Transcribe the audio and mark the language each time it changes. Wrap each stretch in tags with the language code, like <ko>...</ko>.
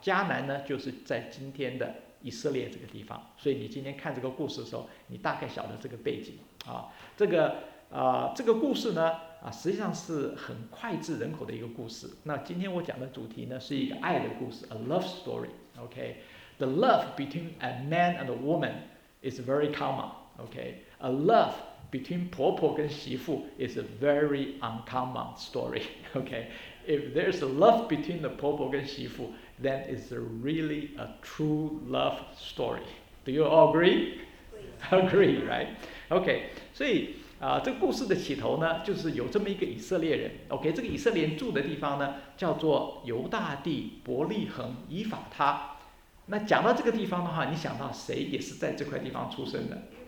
<zh>迦南呢就是在今天的以色列这个地方。所以你今天看这个故事的时候，你大概晓得这个背景啊。这个故事呢实际上是很脍炙人口的一个故事。那今天我讲的主题呢是一个爱的故事，</zh> <en>a love story。 OK， the love between a man and a woman is very common。 OK， a loveBetween</en> <zh>婆婆跟媳妇</zh> <en>is a very uncommon story. Okay, if there's a love between the</en> <zh>婆婆跟媳妇,</zh> <en>then it's a really a true love story. Do you all agree? Agree, right?</en> <zh>Okay, 所以这个故事的起头呢，就是有这么一个以色列人。 Okay, 这个以色列人住的地方呢，叫做犹大地伯利恒以法他。那讲到这个地方的话，你想到谁也是在这块地方出生的？</zh>